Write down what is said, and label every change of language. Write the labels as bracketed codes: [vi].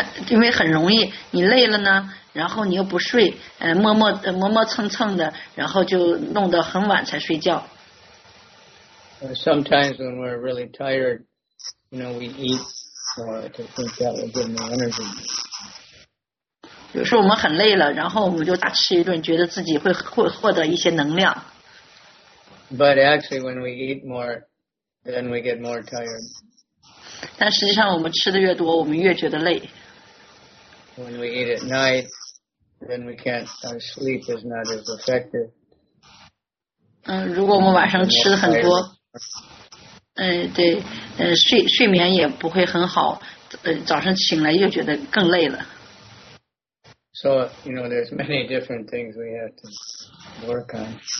[zh] 因为很容易，你累了呢，然后你又不睡，磨磨蹭蹭的，然后就弄得很晚才睡觉。 [en] Sometimes when we're really tired, you know, we eat more to think that will give more energy. [zh] 有时候我们很累了，然后我们就大吃一顿，觉得自己会获得一些能量。 [en] But actually, when we eat more, then we get more tired. [zh] 但实际上，我们吃的越多，我们越觉得累。 [en] When we eat at night, then we can't. Our sleep is not as effective. [zh] 如果我们晚上吃的很多。睡眠也不会很好，早上醒来又觉得更累了。 [en] So, you know, there's many different things we have to work on.